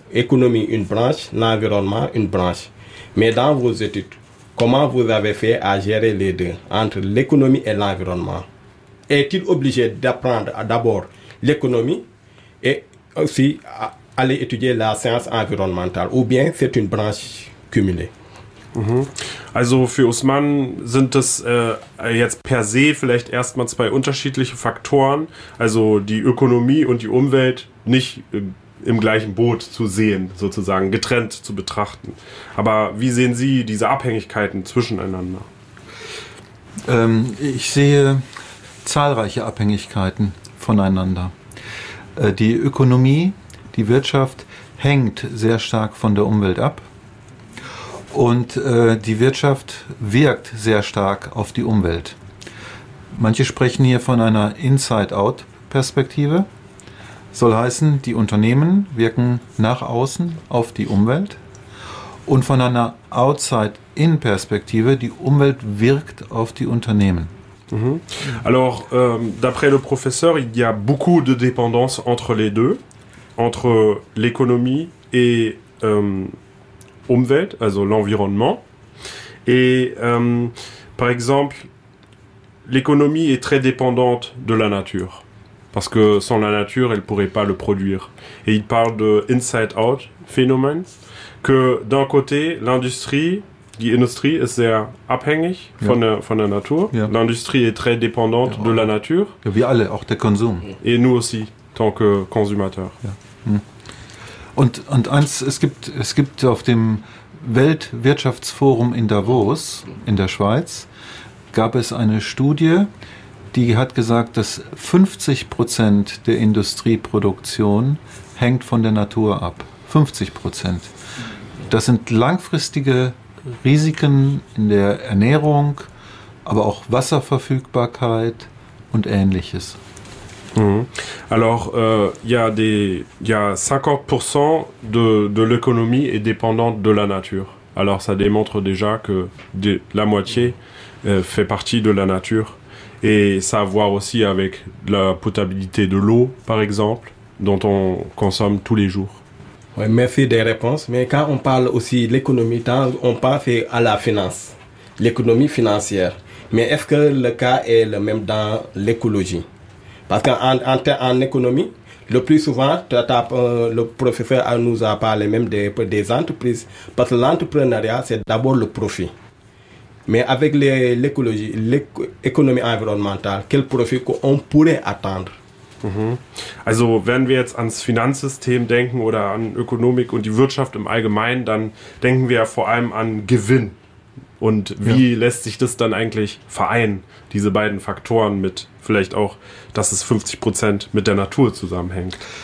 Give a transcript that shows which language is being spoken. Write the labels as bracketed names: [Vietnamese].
[French] Économie, une branche, l'environnement, une branche. Mais dans vos études, comment vous avez fait à gérer les deux, entre l'économie et l'environnement? Est-il obligé d'apprendre d'abord l'économie et aussi aller étudier la science environnementale? Ou bien c'est une branche cumulée? [German] Also für Usman sind das jetzt per se vielleicht erstmal zwei unterschiedliche Faktoren, also die Ökonomie und die Umwelt nicht im gleichen Boot zu sehen, sozusagen getrennt zu betrachten. Aber wie sehen Sie diese Abhängigkeiten zwischeneinander? Ich sehe zahlreiche Abhängigkeiten voneinander. Die Ökonomie, die Wirtschaft hängt sehr stark von der Umwelt ab. Und die Wirtschaft wirkt sehr stark auf die Umwelt. Manche sprechen hier von einer Inside-Out-Perspektive. Soll heißen, die Unternehmen wirken nach außen auf die Umwelt. Und von einer Outside-In-Perspektive, die Umwelt wirkt auf die Unternehmen. [French] Alors, d'après le professeur, il y a beaucoup de dépendance entre les deux, entre l'économie et Umwelt, also l'environnement. Et par exemple, l'économie est très dépendante de la nature, parce que sans la nature, elle ne pourrait pas le produire. Et il parle de inside-out phénomène, que d'un côté, l'industrie, [German] die Industrie ist sehr abhängig von der Natur. [French] Ja. L'industrie est très dépendante de la nature. [German] Ja, wir alle, auch der Konsum. [French] Et nous aussi, tant que consommateurs. [German] Ja. Und eins, es gibt auf dem Weltwirtschaftsforum in Davos, in der Schweiz, gab es eine Studie, die hat gesagt, dass 50% der Industrieproduktion hängt von der Natur ab. 50%. Das sind langfristige Risiken in der Ernährung, aber auch Wasserverfügbarkeit und Ähnliches. [French] Alors, il y a 50% de l'économie est dépendante de la nature. Alors, ça démontre déjà que la moitié fait partie de la nature. Et ça a à voir aussi avec la potabilité de l'eau, par exemple, dont on consomme tous les jours. Oui, merci des réponses. Mais quand on parle aussi de l'économie, on pense à la finance, l'économie financière. Mais est-ce que le cas est le même dans l'écologie? Parce qu'en économie, le plus souvent, le professeur nous a parlé même des entreprises. Parce que l'entrepreneuriat, c'est d'abord le profit. Mais avec l'écologie, l'économie environnementale, quel profit qu'on pourrait attendre? [German] Also, wenn wir jetzt ans Finanzsystem denken oder an Ökonomik und die Wirtschaft im Allgemeinen, dann denken wir vor allem an Gewinn. Und wie lässt sich das dann eigentlich vereinen, diese beiden Faktoren mit vielleicht auch, dass es 50% mit der Natur zusammenhängt?